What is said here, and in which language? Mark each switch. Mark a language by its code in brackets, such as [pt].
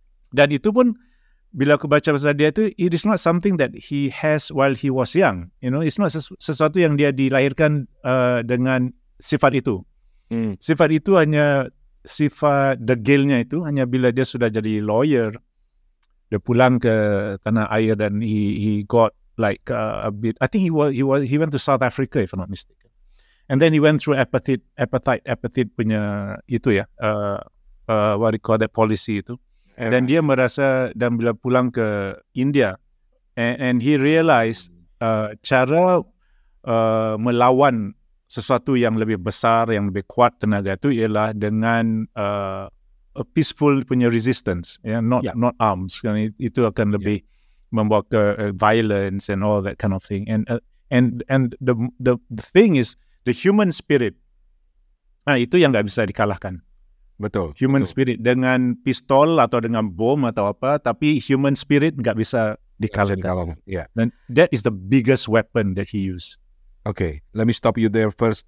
[ms] Dan itu pun, bila aku baca pasal dia itu, [en] it is not something that he has while he was young. You know, it's not [ms] sesuatu yang dia dilahirkan dengan sifat itu. Sifat itu hanya sifat degilnya itu, hanya bila dia sudah jadi lawyer, dia pulang ke tanah air dan [en] he got like a bit. I think he went to South Africa if I'm not mistaken. And then he went through appetite [ms] punya itu ya, [en] what you call that policy itu. [ms] Era. Dan dia merasa, dan bila pulang ke India, [en] and he realized [ms] cara melawan sesuatu yang lebih besar, yang lebih kuat tenaga itu ialah dengan a peaceful punya resistance, yeah? [en] Not arms. [ms] Kan? Itu akan lebih membawa ke [en] violence and all that kind of thing. And the thing is, the human spirit, [ms] itu yang nggak bisa dikalahkan. Betul. Human spirit dengan pistol atau dengan bom atau apa, tapi human spirit nggak bisa dikalahkan. [en] Yeah. Dan that is the biggest weapon that he used. Okay, let me stop you there first.